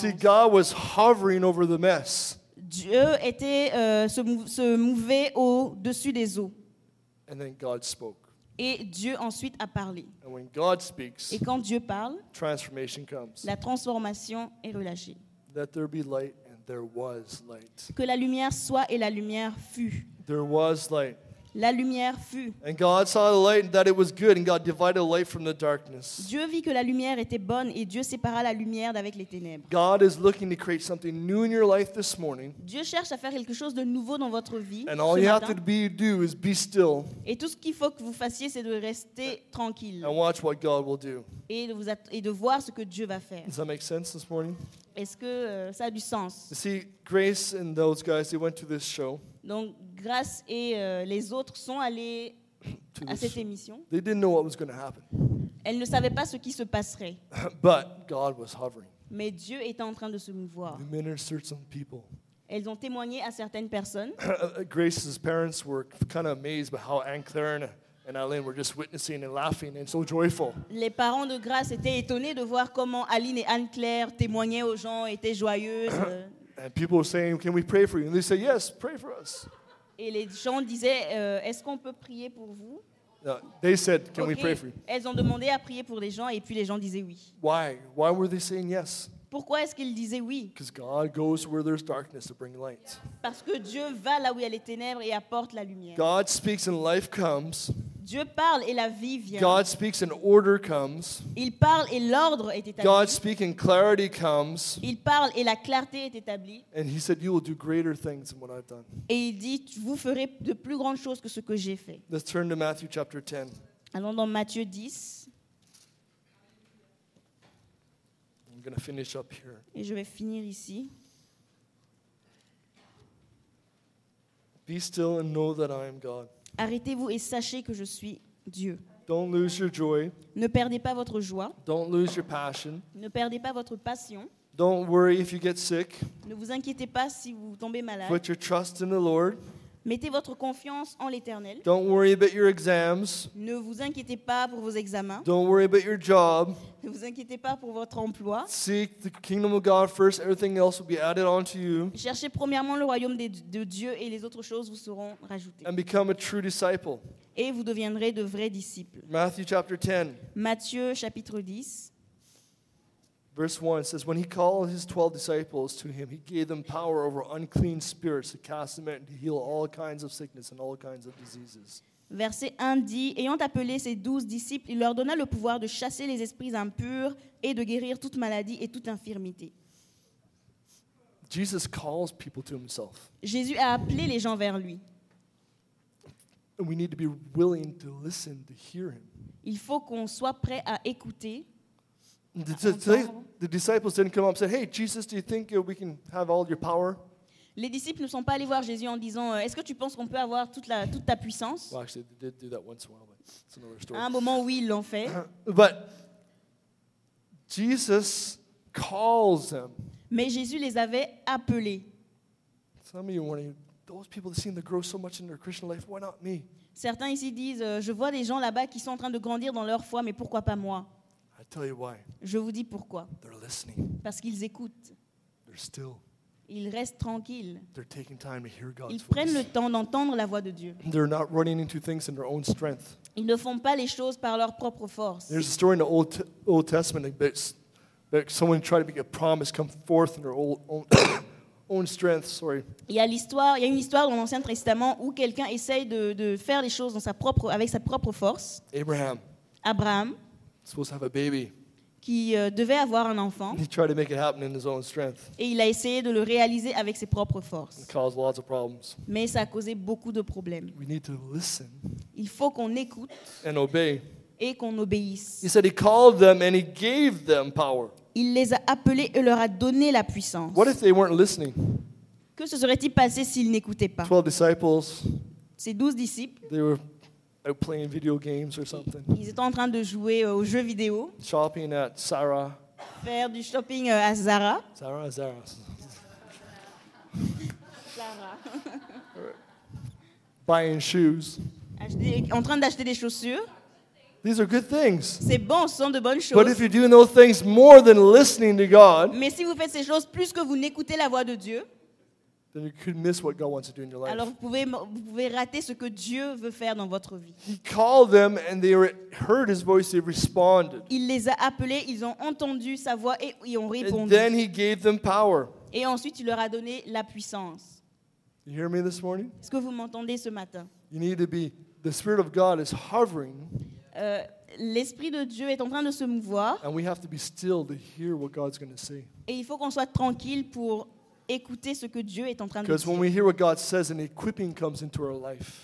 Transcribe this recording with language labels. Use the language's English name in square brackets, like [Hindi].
[English] You see, God was hovering over the mess. [French] Dieu était se mouvait au-dessus des eaux. [English] And then God spoke. [French] Et Dieu ensuite a parlé. [English] And when God speaks, [French] et quand Dieu parle, [English] transformation comes. [French] La transformation est relâchée. [English] Let there be light, and there was light. [French] Que la lumière soit et la lumière fut. [English] there was light. [French] La lumière fut. [English] And God saw the light and that it was good, and God divided the light from the darkness. [French] Dieu vit que la lumière était bonne et Dieu sépara la lumière d'avec les ténèbres. [English] God is looking to create something new in your life this morning. [French] Dieu cherche à faire quelque chose de nouveau dans votre vie. [English] And all [French] ce [English] you [French] matin. [English] Have to do is be still. [French] Et tout ce qu'il faut que vous fassiez, c'est de rester tranquille. [English] And watch what God will do. [French] Et de voir ce que Dieu va faire. [English] Does that make sense this morning? [French] Est-ce que ça a du sens? [English] You see, Grace and those guys, they went to this show. [French] Donc Grace et les autres sont allés à cette émission. [English] They didn't know what was going to happen. [French] Elles ne savaient pas ce qui se passerait. [English] But God was hovering. [French] Mais Dieu était en train de se mouvoir. [English] They ministered some people. [French] Elles ont témoigné à certaines personnes. [English] Grace's parents were kind of amazed by how Anne Claire and Aline were just witnessing and laughing and so joyful. [French] Les parents de Grace étaient étonnés de voir comment Aline et Anne Claire témoignaient aux gens, étaient joyeuses. [English] And people were saying, "Can we pray for you?" And they say, "Yes, pray for us." [French] Et les gens disaient, est-ce qu'on peut prier pour vous? [English] No, they said, "Can we pray for you?" [French] Elles ont demandé à prier pour les gens, et puis les gens disaient oui. [English] Why? Why were they saying yes? [French] Pourquoi est-ce qu'ils disaient oui? [English] Because God goes where there's darkness to bring light. [French] Parce que Dieu va là où il y a les ténèbres et apporte la lumière. [English] God speaks and life comes. [French] Dieu parle et la vie vient. [English] God speaks and order comes. [French] Il parle et l'ordre est établi. [English] God speaks and clarity comes. [French] Il parle et la clarté est établie. [English] And he said, "You will do greater things than what I've done." [French] Et il dit, vous ferez de plus grandes choses que ce que j'ai fait. [English] Let's turn to Matthew chapter 10. [French] Allons dans Matthieu 10. [English] I'm going to finish up here. [French] Et je vais finir ici. [English] Be still and know that I am God. [French] Arrêtez-vous et sachez que je suis Dieu. [English] Don't lose your joy. [French] Ne perdez pas votre joie. [English] Don't lose your passion. [French] Ne perdez pas votre passion. [English] Don't worry if you get sick. [French] Ne vous inquiétez pas si vous tombez malade. [English] Put your trust in the Lord. [French] Mettez votre confiance en l'Éternel. [English] Don't worry about your exams. [French] Ne vous inquiétez pas pour vos examens. [English] Don't worry about your job. [French] Ne vous inquiétez pas pour votre emploi. [English] Seek the kingdom of God first, everything else will be added onto you. [French] Cherchez premièrement le royaume de Dieu et les autres choses vous seront rajoutées. [English] And become a true disciple. [French] Et vous deviendrez de vrais disciples. [English] Matthew chapter 10. [French] Matthieu chapitre 10. [English] Verse 1 says, when he called his 12 disciples to him, he gave them power over unclean spirits to cast them out and to heal all kinds of sickness and all kinds of diseases. [French] Verset 1 dit, ayant appelé ses 12 disciples, il leur donna le pouvoir de chasser les esprits impurs et de guérir toute maladie et toute infirmité. [English] Jesus calls people to himself. [French] Jésus a appelé les gens vers lui. [English] And we need to be willing to listen, to hear him. [French] Il faut qu'on soit prêt à écouter. [English] The disciples didn't come up and say, "Hey Jesus, do you think we can have all your power?" [French] Les disciples ne sont pas allés voir Jésus en disant, "Est-ce que tu penses qu'on peut avoir toute ta puissance?" [English] Well, actually, they did do that once in a while, but it's another story. [French] À un moment, oui, ils l'ont fait. [English] But Jesus calls them. [French] Mais Jésus les avait appelés. [English] Some of you wondering, those people that seem to grow so much in their Christian life, why not me? [French] Certains ici disent, je vois des gens là-bas qui sont en train de grandir dans leur foi, mais pourquoi pas moi? [English] Tell you why. [French] Je vous dis pourquoi. [English] They're listening. [French] Parce qu'ils écoutent. [English] They're still. [French] Ils restent tranquilles. [English] They're taking time to hear God's [French] Ils prennent [English] voice. [French] Le temps d'entendre la voix de Dieu. [English] They're not running into things in their own strength. [French] Ils ne font pas les choses par leur propre force. [English] There's a story in the Old Testament that someone tried to make a promise come forth in their own strength. Sorry. [French] Il y a une histoire dans l'Ancien Testament où quelqu'un essaye de faire les choses avec sa propre force. [English] Abraham. Supposed to have a baby. [French] Qui devait avoir un enfant. [English] He tried to make it happen in his own strength. [French] Et il a essayé de le réaliser avec ses propres forces. [English] It caused lots of problems. [French] Mais ça a causé beaucoup de problèmes. [English] We need to listen. [French] Il faut qu'on écoute. [English] And obey. [French] Et qu'on obéisse. [English] He said he called them and he gave them power. [French] Il les a appelés et leur a donné la puissance. [English] What if they weren't listening? [French] Que se serait-il passé s'ils n'écoutaient pas? [English] 12 disciples. [French] Ces 12 disciples. [English] They were playing video games or something. [French] Ils étaient en train de jouer aux jeux vidéo. [English] Shopping at Zara. [French] Faire du shopping à Zara. [English] Zara, Zara. [French] Zara. [English] Buying shoes. [French] En train d'acheter des chaussures. [English] These are good things. [French] C'est bon, ce sont de bonnes choses. [English] But if you're doing those things more than listening to God. [French] Mais si vous faites ces choses plus que vous n'écoutez la voix de Dieu. [English] Then you could miss what God wants to do in your life. [French] Alors vous pouvez rater ce que Dieu veut faire dans votre vie. [English] He called them and they heard his voice, they responded. [French] Il les a appelés, ils ont entendu sa voix et ils ont répondu. [English] And then he gave them power. [French] Et ensuite il leur a donné la puissance. [English] You hear me this morning? [French] Est-ce que vous m'entendez ce matin? [English] You need to be. The Spirit of God is hovering. [French] L'Esprit de Dieu est en train de se mouvoir. [English] And we have to be still to hear what God's going to say. [French] Et il faut qu'on soit tranquille pour écouter ce que Dieu est en train de dire. [English] Because when we hear what God says, an equipping comes into our life.